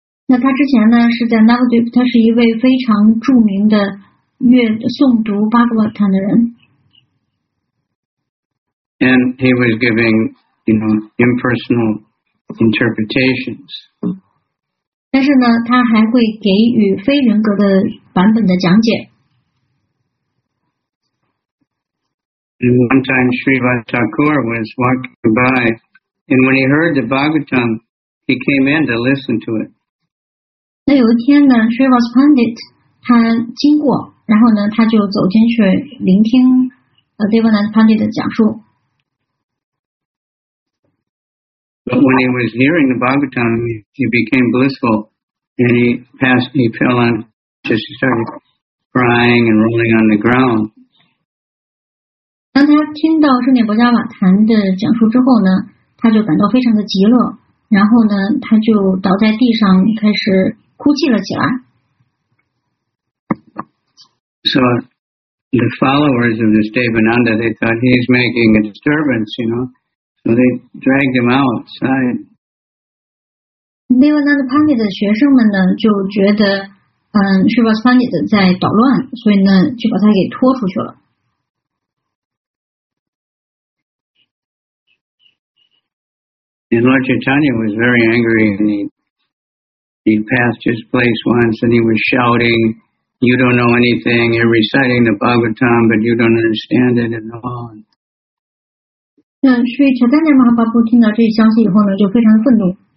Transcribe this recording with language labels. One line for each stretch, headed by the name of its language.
Chinese: 那他之前呢是在 Navadvip, 他是一位非常著名的诵读 Bhagavatam 的人。
English: And he was giving, you know, impersonal interpretations.
Chinese: 但是呢他还会给予非人格的版本的讲解。
English: And one time Srivath Thakur was walking by, and when he heard the Bhagavatam, he came in to listen to it.
Chinese: 那有一天呢 Srivath Pandit, 他经过然后呢他就走进去聆听 Devananda Pandit 的讲述。
English: But when he was hearing the Bhagavatam, he became blissful, and he fell on, just started crying and rolling on the ground.
Chinese: 当他听到圣典博迦瓦坛的讲述之后呢，他就感到非常的极乐，然后呢，他就倒在地上开始哭泣了起来。
English: So the followers of this Devananda, they thought he's making a disturbance, you know, so they dragged him outside.
Chinese: Devananda Pandit 的学生们呢，就觉得 Shivaswani 的在捣乱，所以呢就把他给拖出去了。
English: And Lord Chaitanya was very angry, and he passed his place once, and he was shouting, "You don't know anything. You're reciting the Bhagavatam, but you don't understand it at all."
Chinese: 那所以乔丹尼马哈巴布听到这一消息以后呢，就非常愤怒。